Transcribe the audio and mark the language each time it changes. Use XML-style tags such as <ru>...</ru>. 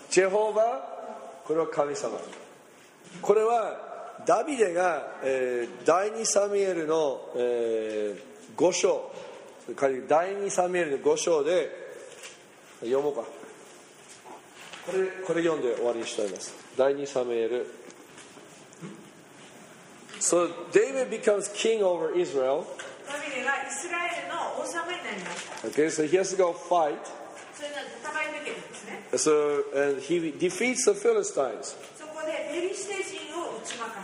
<ja>ジェホーバー、これは神様。これはダビデが、第二サミエルの、5章、第二サミエルの5章で読もうか。これ読んで終わりにしたいです。第二サミエル。</ja> <en>So David becomes king over Israel.</en> <ja>ダビデがイスラエルの王様になりました。</ja> <en>Okay, so he has to go fight.</en> <ja>そういうのは戦いに行けるんですね。</ja> <en>So and he defeats the Philistines.</en> <ja>そこでペリシテ人を打ち負か</ja>